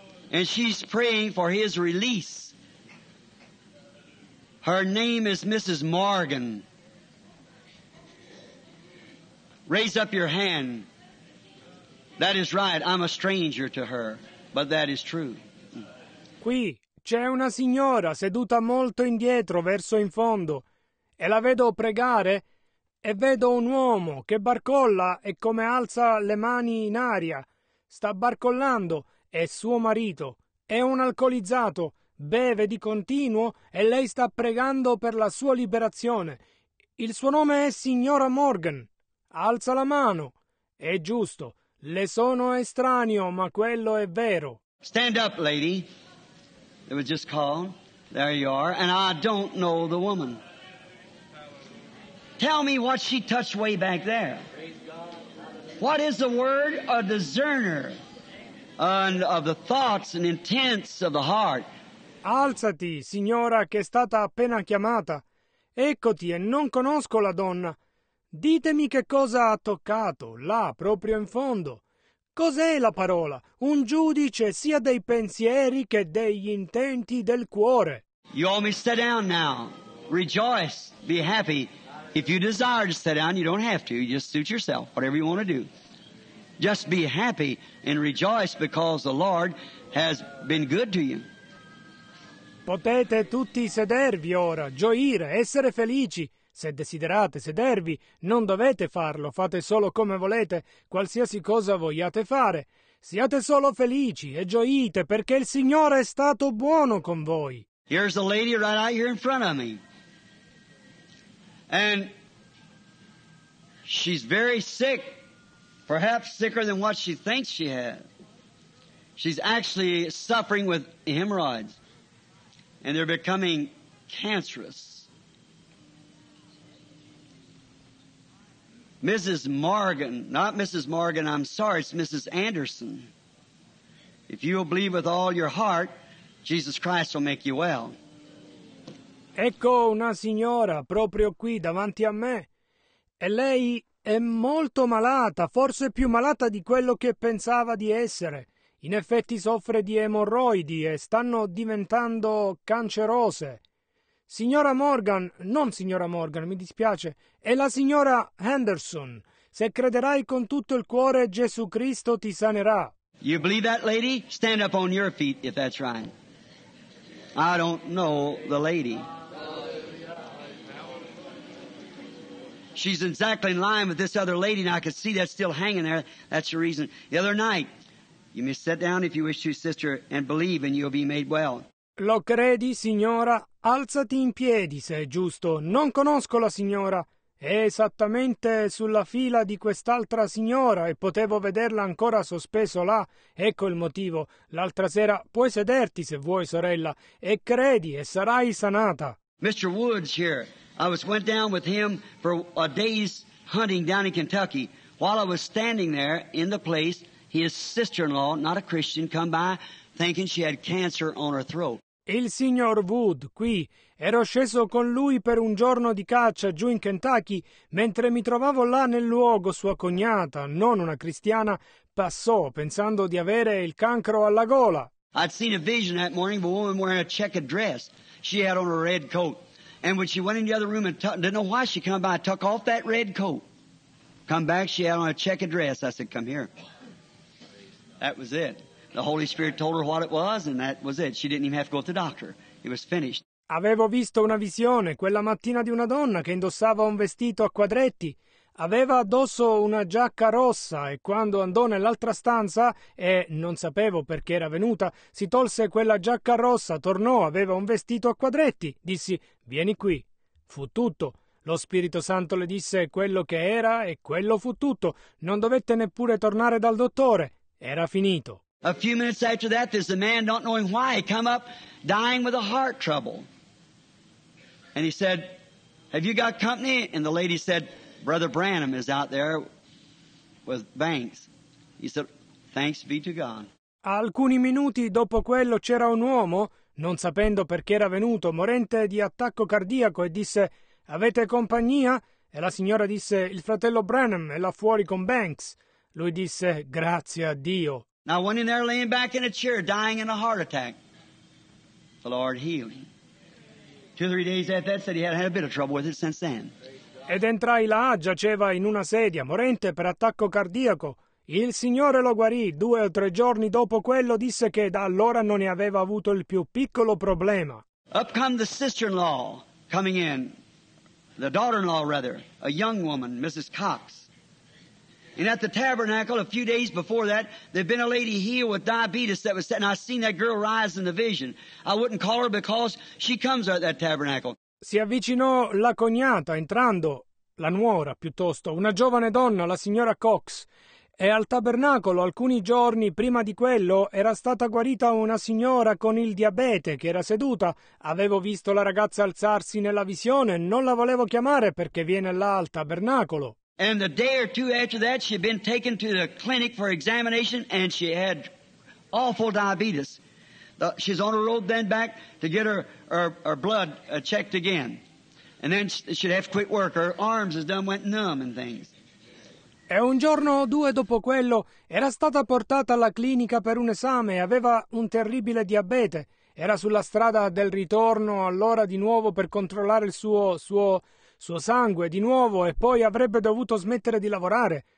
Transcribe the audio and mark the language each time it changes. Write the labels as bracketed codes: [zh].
[en] And she's praying for his release. Her name is Mrs. Morgan. Raise up your hand. That is right. I'm a stranger to her, but that is true. [it] Qui c'è una signora seduta molto indietro, verso in fondo, e la vedo pregare, e vedo un uomo che barcolla e come alza le mani in aria. Sta barcollando, è suo marito. È un alcolizzato, beve di continuo, e lei sta pregando per la sua liberazione. Il suo nome è signora Morgan. Alza la mano. È giusto. Le sono estraneo, ma quello è vero. [en] Stand up, lady. It was just called. There you are. And I don't know the woman. Tell me what she touched way back there. What is the word? A discerner and of the thoughts and intents of the heart. [it] Alzati, signora che è stata appena chiamata. Eccoti, e non conosco la donna. Ditemi che cosa ha toccato, là, proprio in fondo. Cos'è la parola? Un giudice sia dei pensieri che degli intenti del cuore. [en] You all may sit down now. Rejoice. Be happy. If you desire to sit down, you don't have to. You just suit yourself, whatever you want to do. Just be happy and rejoice because the Lord has been good to you. [it] Potete tutti sedervi ora, gioire, essere felici. Se desiderate sedervi, non dovete farlo, fate solo come volete, qualsiasi cosa vogliate fare. Siate solo felici e gioite, perché il Signore è stato buono con voi. [en] Here's a lady right out here in front of me. And she's very sick, perhaps sicker than what she thinks she has. She's actually suffering with hemorrhoids, and they're becoming cancerous. Mrs. Morgan, not Mrs. Morgan, I'm sorry, it's Mrs. Anderson. If you'll believe with all your heart, Jesus Christ will make you well. [it] Ecco una signora proprio qui davanti a me. E lei è molto malata, forse più malata di quello che pensava di essere. In effetti soffre di emorroidi e stanno diventando cancerose. Signora Morgan, non signora Morgan, mi dispiace, è la signora Anderson. Se crederai con tutto il cuore, Gesù Cristo ti sanerà. [en] You believe that lady? Stand up on your feet if that's right. I don't know the lady. She's exactly in line with this other lady, and I can see that still hanging there. That's the reason. The other night, you may sit down if you wish to, sister, and believe, and you'll be made well. [it] Lo credi, signora? Alzati in piedi, se è giusto. Non conosco la signora. È esattamente sulla fila di quest'altra signora e potevo vederla ancora sospeso là. Ecco il motivo. L'altra sera puoi sederti se vuoi, sorella, e credi e sarai sanata. [en] Mr. Woods here. I was went down with him for a day's hunting down in Kentucky. While I was standing there in the place, his sister-in-law, not a Christian, come by thinking she had cancer on her throat. [it] Il signor Wood, qui, ero sceso con lui per un giorno di caccia giù in Kentucky, mentre mi trovavo là nel luogo sua cognata, non una cristiana, passò pensando di avere il cancro alla gola. [en] I'd seen a vision that morning of a woman wearing a checkered dress. She had on a red coat. And when she went in the other room and didn't know why she come by, took off that red coat. Come back, she had on a checkered dress. I said, come here. That was it. The Holy Spirit told her what it was, and that was it. She didn't even have to go to the doctor. It was finished. [it] Avevo visto una visione quella mattina di una donna che indossava un vestito a quadretti. Aveva addosso una giacca rossa e quando andò nell'altra stanza, e non sapevo perché era venuta, si tolse quella giacca rossa, tornò, aveva un vestito a quadretti. Dissi, vieni qui. Fu tutto. Lo Spirito Santo le disse quello che era e quello fu tutto. Non dovette neppure tornare dal dottore. Era finito. [en] A few minutes after that, there's a man, not knowing why, come up, dying with a heart trouble. And he said, have you got company? And the lady said, Brother Branham is out there with Banks. He said, thanks be to God. [it] Alcuni minuti dopo quello c'era un uomo, non sapendo perché era venuto, morente di attacco cardiaco, e disse, avete compagnia? E la signora disse, il fratello Branham è là fuori con Banks. Lui disse, grazie a Dio. [en] Now went in there laying back in a chair, dying in a heart attack. The Lord healed him. Two or three days after that, said he had had a bit of trouble with it since then. [it] Ed entrai là, giaceva in una sedia, morente per attacco cardiaco. Il Signore lo guarì. Due o tre giorni dopo quello, disse che da allora non ne aveva avuto il più piccolo problema. [en] Up come the sister-in-law coming in, the daughter-in-law rather, a young woman, Mrs. Cox. And at the tabernacle, a few days before that, there'd been a lady healed with diabetes that was sitting. I seen that girl rise in the vision. I wouldn't call her because she comes out at that tabernacle. [it] Si avvicinò la cognata, entrando, la nuora piuttosto, una giovane donna, la signora Cox. E al tabernacolo, alcuni giorni prima di quello, era stata guarita una signora con il diabete che era seduta. Avevo visto la ragazza alzarsi nella visione, non la volevo chiamare perché viene là al tabernacolo. [en] And the day or two after that, she had been taken to the clinic for examination, and she had awful diabetes. She's on the road then back to get her blood checked again. And then she'd have to quit work. Her arms is done, went numb and things. [it] E un giorno o due dopo quello, era stata portata alla clinica per un esame e aveva un terribile diabete. Era sulla strada del ritorno allora di nuovo per controllare il suo sangue di nuovo e poi avrebbe dovuto smettere di lavorare.